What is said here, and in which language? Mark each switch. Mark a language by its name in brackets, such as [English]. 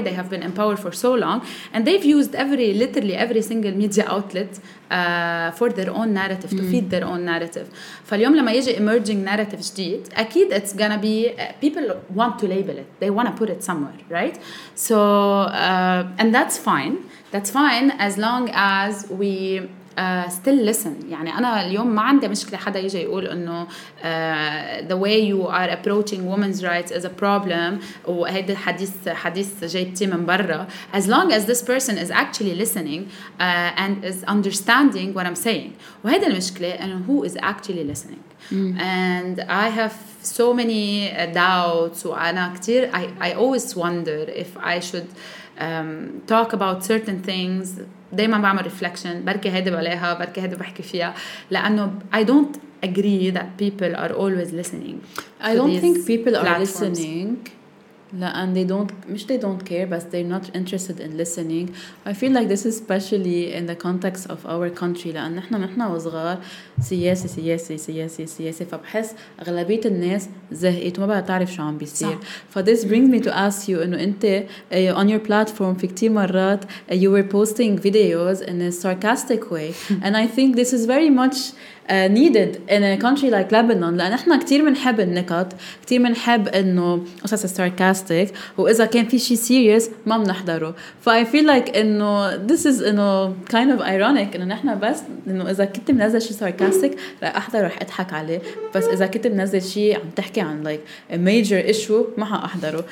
[English] They have been in power for so long and they've used literally every single media outlet for their own narrative, to feed their own narrative. [Arabic] فاليوم لما يجي [English] emerging narrative [Arabic] جديد أكيد [English] it's gonna be people want to label it, they wanna put it somewhere, right? So and that's fine. That's fine as long as we still listen. [Arabic] يعني أنا اليوم ما عندي مشكلة حدا يجي يقول إنه [English] the way you are approaching women's rights is a problem, [Arabic] وهيدا حديث جايبتي من برا. [English] As long as this person is actually listening and is understanding what I'm saying. [Arabic] وهيدا المشكلة إنه [English] who is actually listening. And I have so many doubts. [Arabic] وأنا كتير [English] I always wonder if I should talk about certain things. [Arabic] دايما بعمل reflection, بركي هيدا بعليها بركي هيدا بحكي فيها, لأنه [English] I don't agree that people are always listening. I don't think people platforms. Are listening [Arabic] لأن [English] they don't care but they're not interested in listening. I feel like this is especially in the context of our country, [Arabic] لأن نحن وصغار سياسي سياسي سياسي سياسي, فبحس أغلبية الناس زهقت وما بقى تعرف شو عم بيصير. [English] فthis brings me to ask you, [Arabic] إنه أنت [English] on your platform [Arabic] في كتير مرات [English] you were posting videos in a sarcastic way and I think this is very much needed in a country like Lebanon. [Arabic] لأن إحنا كتير منحب النكت, كتير منحب إنه قصص sarcastic, وإذا كان في شيء serious ما منحضره. ف [English] I feel like [Arabic] إنه [English] this is [Arabic] إنه [English] kind of ironic [Arabic] إنه إحنا بس إنه إذا كنت منزل شيء sarcastic رح أحضر رح أضحك عليه, بس إذا كنت منزل شيء عم تحكي عن [English] like a major issue [Arabic] ما هأحضره.